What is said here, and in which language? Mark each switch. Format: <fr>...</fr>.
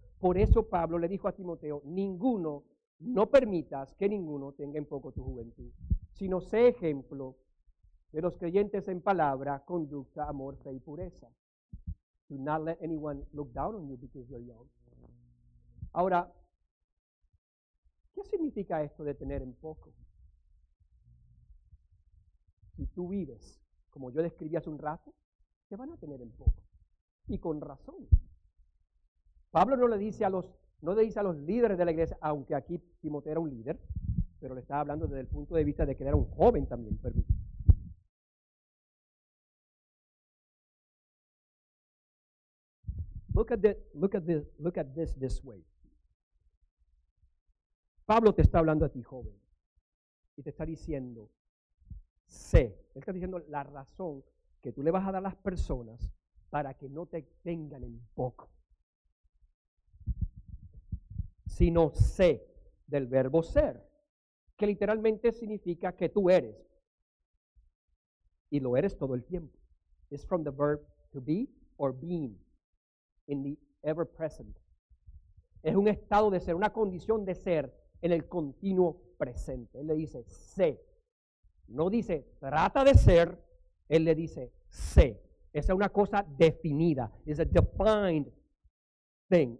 <es>Por eso Pablo le dijo a Timoteo, ninguno, no permitas que ninguno tenga en poco tu juventud, sino sé ejemplo de los creyentes en palabra, conducta, amor, fe y pureza.</es> <en>Do not let anyone look down on you because you're young.</en> <es>Ahora, ¿qué significa esto de tener en poco? Si tú vives, como yo describí hace un rato, te van a tener en poco. Y con razón. Pablo no le dice a los, no le dice a los líderes de la iglesia, aunque aquí Timoteo era un líder, pero le estaba hablando desde el punto de vista de que era un joven también, permítame.</es> <en>Look at this way.</en> <es>Pablo te está hablando a ti, joven, y te está diciendo, sé. Él está diciendo la razón que tú le vas a dar a las personas para que no te tengan en poco. Sino sé, del verbo ser, que literalmente significa que tú eres. Y lo eres todo el tiempo.</es> <en>It's from the verb to be or being. In the ever present.</en> <es>Es un estado de ser, una condición de ser en el continuo presente. Él le dice, sé. No dice, trata de ser. Él le dice, sé. Esa es una cosa definida.</es> <en>It's a defined thing.</en>